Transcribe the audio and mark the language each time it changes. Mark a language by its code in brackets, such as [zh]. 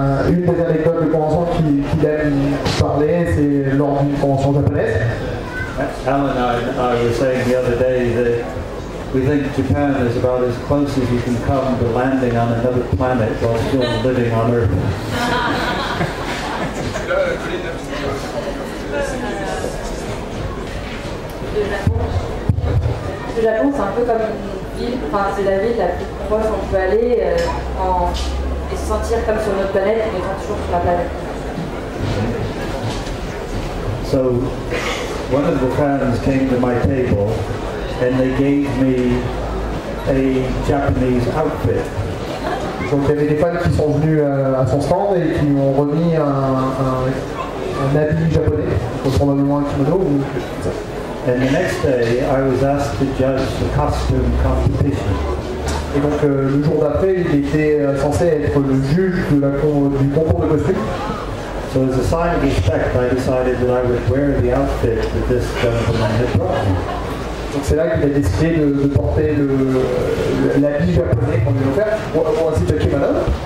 [fr] Une des anecdotes de convention qu'il aime parler, c'est lors d'une convention japonaise. [en] Alan and I were saying the other day that we think Japan is about as close as you can come to landing on another planet while still living on Earth. [fr] Le Japon, c'est un peu comme une ville, enfin c'est la ville la plus proche où on peut aller et se sentir comme sur notre planète en étant toujours sur la planète. [en] So, one of the fans came to my table and they gave me a Japanese outfit. [fr] Donc il y avait des fans qui sont venus à son stand et qui m'ont remis un habit japonais, probablement un kimono ou... [en] And the next day, I was asked to judge the costume competition. [fr] Et donc le jour d'après, il était censé être le juge de la du concours de costume. [en] So as a sign of respect, I decided that I would wear the outfit that this gentleman had brought me. [fr] Donc c'est là qu'il a décidé de porter l'habit japonais qu'on lui a offert. Bon, ainsi de qui, madame?